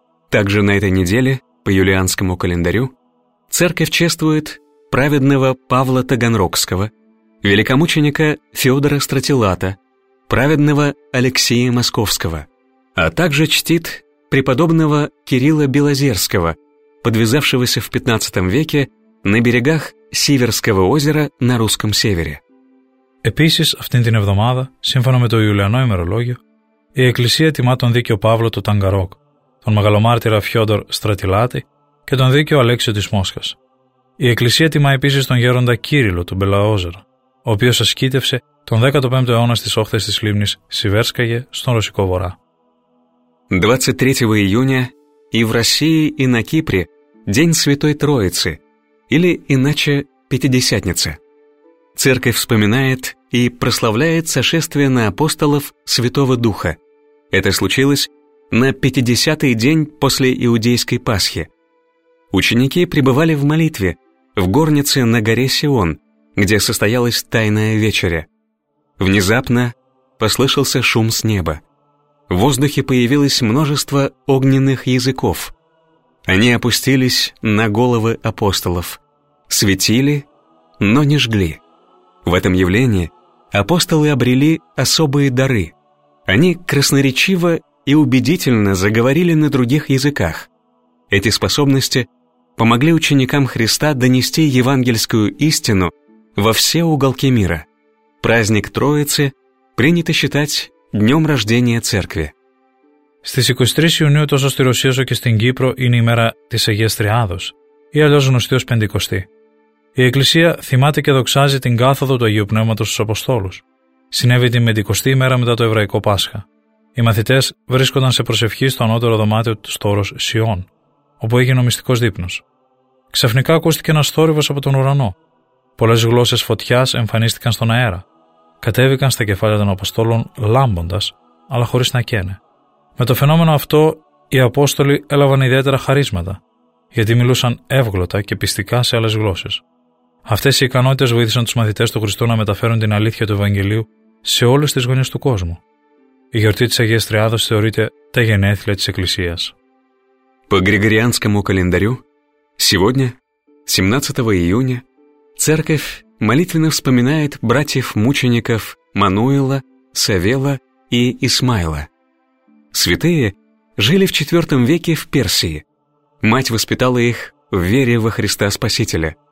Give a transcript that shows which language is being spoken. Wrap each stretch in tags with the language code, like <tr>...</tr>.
<ru>Также на этой неделе, по юлианскому календарю, церковь чествует праведного Павла Таганрогского, великомученика Феодора Стратилата, праведного Алексея Московского, а также чтит преподобного Кирилла Белозерского, подвязавшегося в 15 веке на берегах Сиверского озера на Русском Севере.</ru> <el>Επίσης, αυτήν την εβδομάδα, σύμφωνα με το Ιουλιανό ημερολόγιο, η Εκκλησία τιμά τον δίκαιο Παύλο του Ταγκαρόκ, τον μεγαλομάρτυρα Φιόντορ Στρατιλάτη και τον δίκαιο Αλέξιο της Μόσχας. Η Εκκλησία τιμά επίσης τον γέροντα Κύριλο του Μπελαόζερο, ο οποίος ασκήτευσε τον 15ο αιώνα στις όχθες της λίμνης Σιβέρσκαγε στον Ρωσικό Βορρά.</el> <ru>23 июня и в России, и на Кипре день Святой Троицы, или иначе Пятидесятницы. Церковь вспоминает и прославляет сошествие на апостолов Святого Духа. Это случилось на 50-й день после Иудейской Пасхи. Ученики пребывали в молитве в горнице на горе Сион, где состоялась Тайная Вечеря. Внезапно послышался шум с неба. В воздухе появилось множество огненных языков. Они опустились на головы апостолов, светили, но не жгли. В этом явлении апостолы обрели особые дары. Они красноречиво и убедительно заговорили на других языках. Эти способности помогли ученикам Христа донести евангельскую истину во все уголки мира. Праздник Троицы принято считать днем рождения Церкви.</ru> <el>Στις 23 Ιουνίου, τόσο στη Ρωσία όσο και στην Κύπρο, είναι η μέρα της Αγίας Τριάδος, ή αλλιώς γνωστή ως Πεντηκοστή. Η Εκκλησία θυμάται και δοξάζει την κάθοδο του Αγίου Πνεύματος στους Αποστόλους. Συνέβη την Πεντηκοστή ημέρα μετά το Εβραϊκό Πάσχα. Οι μαθητές βρίσκονταν σε προσευχή στο ανώτερο δωμάτιο του στόρος Σιών, όπου έγινε ο μυστικός δείπνος. Ξαφνικά ακούστηκε ένας θόρυβος από τον ουρανό. Πολλές γλώσσες φωτιάς εμφανίστηκαν στον αέρα. Κατέβηκαν στα κεφάλια των Αποστόλων λάμποντας, αλλά χωρίς να καίνε. Με το φαινόμενο αυτό, οι Απόστολοι έλαβαν ιδιαίτερα χαρίσματα, γιατί μιλούσαν εύγλωτα και πιστικά σε άλλες γλώσσες. Αυτές οι ικανότητες βοήθησαν τους μαθητές του Χριστού να μεταφέρουν την αλήθεια του Ευαγγελίου σε όλες τις γωνίες του κόσμου. Η γιορτή της Αγίας Τριάδος θεωρείται τα γενέθλια της Εκκλησίας.</el> <ru>По Григорианскому календарю, сегодня, 17 июня, церковь молитвенно вспоминает братьев-мучеников Мануила, Савела и Исмаила. Святые жили в IV веке в Персии. Мать воспитала их в вере во Христа Спасителя.</ru>